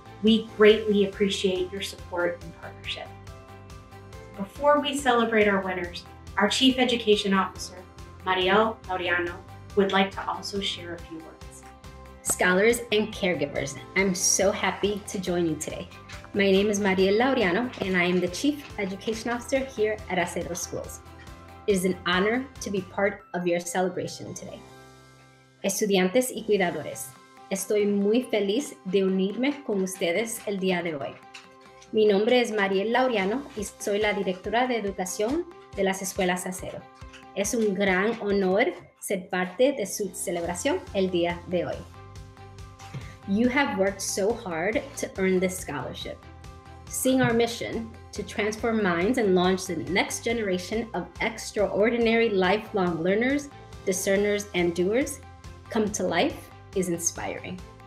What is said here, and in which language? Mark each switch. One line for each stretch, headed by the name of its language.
English: We greatly appreciate your support and partnership. Before we celebrate our winners, our Chief Education Officer, Mariel Laureano, would like to also share a few words. Scholars and caregivers, I'm so happy to join you today. My name is Mariel Laureano, and I am the Chief Education Officer here at Acero Schools. It is an honor to be part of your celebration today.
Spanish: Estudiantes y cuidadores, estoy muy feliz de unirme con ustedes el día de hoy. Mi nombre es Mariel Laureano y soy la directora de educación de las escuelas Acero. Es un gran honor ser parte de su celebración el día de hoy.
English: You have worked so hard to earn this scholarship. Seeing our mission to transform minds and launch the next generation of extraordinary lifelong learners, discerners, and doers come to life is inspiring.